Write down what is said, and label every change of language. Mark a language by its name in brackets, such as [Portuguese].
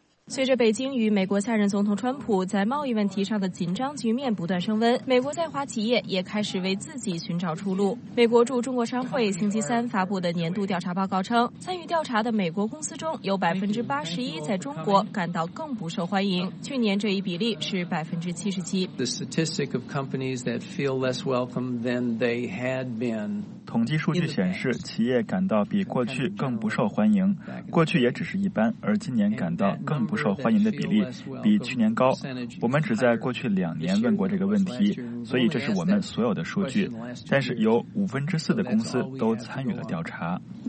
[Chinese] 随着北京与美国下任总统川普在贸易问题上的紧张局面不断升温，美国在华企业也开始为自己寻找出路。美国驻中国商会星期三发布的年度调查报告称，参与调查的美国公司中有 81% 在中国感到更不受欢迎，去年这一比例是 77%。 [English] The statistic of companies that feel less welcome than they had been。 [Chinese] 统计数据显示，企业感到比过去更不受欢迎，过去也只是一般，而今年感到更不受欢迎的比例比去年高。我们只在过去两年问过这个问题，所以这是我们所有的数据，但是有4%的公司都参与了调查。